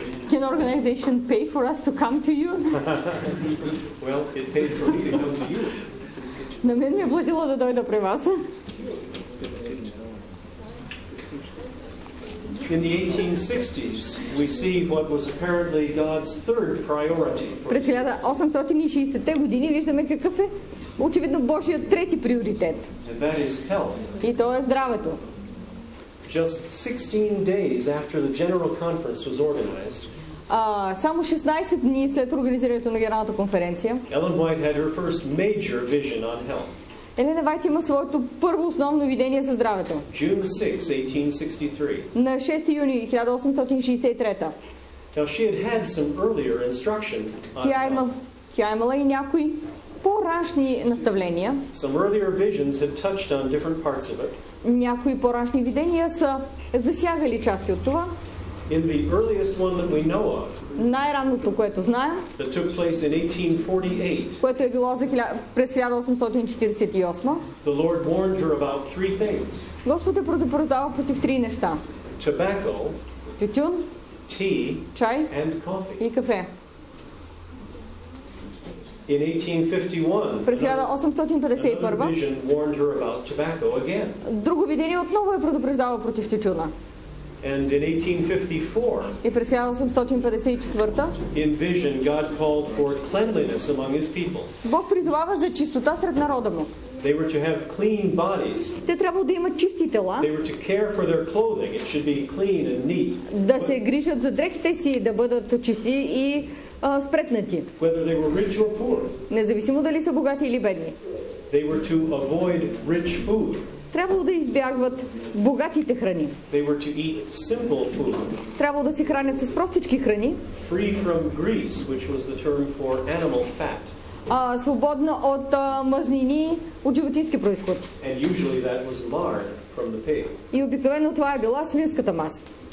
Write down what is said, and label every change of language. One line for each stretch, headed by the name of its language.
English: Can organization pay for us to come to you? Well, it paid for me to come to you.
Bulgarian: На мен ми е платило да дойда при вас.
English: In the 1860s, we see what was apparently God's third priority.
Bulgarian: През 1860-те години виждаме какъв е очевидно Божият трети приоритет.
English: And that is health.
Bulgarian: И то е здравето.
English: Just 16 days after the General Conference was organized,
Bulgarian: само 16 дни след организирането на генералната конференция,
English: Ellen White had her first major vision on health.
Bulgarian: Елена Вайт има своето първо основно видение за здравето.
English: June 6, 1863.
Bulgarian: На 6 юни 1863.
English: Now she had had some earlier instruction.
Bulgarian: Тя имала и някои по-рашни наставления.
English: Some earlier visions had touched on different parts of it.
Bulgarian: Някои по-рашни видения са засягали части от това.
English: In the earliest one that we know of,
Bulgarian: най-ранното, което знаем,
English: that took place in 1848,
Bulgarian: което е било през 1848,
English: the Lord warned her about three things.
Bulgarian: Господ е предупреждава против три неща.
English: Tobacco,
Bulgarian: тютюн,
English: tea,
Bulgarian: чай
English: and coffee.
Bulgarian: И кафе.
English: In 1851,
Bulgarian: през 1851,
English: another vision warned her about tobacco again.
Bulgarian: Друго видение отново е предупреждава против тютюна.
English: And in 1854,
Bulgarian: и през 1854,
English: in vision God called for cleanliness among his people.
Bulgarian: Бог призовава за чистота сред народа му.
English: They were to have clean bodies.
Bulgarian: Те трябва да имат чисти тела.
English: They were to care for their clothing. It should be clean and neat.
Bulgarian: Да се грижат за дрехите си, да бъдат чисти и спретнати.
English: Whether they were rich or poor.
Bulgarian: Независимо дали са богати или бедни.
English: They were to avoid rich food.
Bulgarian: Трябвало да избягват богатите храни.
English: They were to eat simple food.
Bulgarian: Трябвало да се хранят с простички храни.
English: Free from grease, which was the term for animal fat.
Bulgarian: Свободно от мазнини от животински произход.
English: And usually that was lard from the pig.
Bulgarian: И обикновено това е била свинската маса.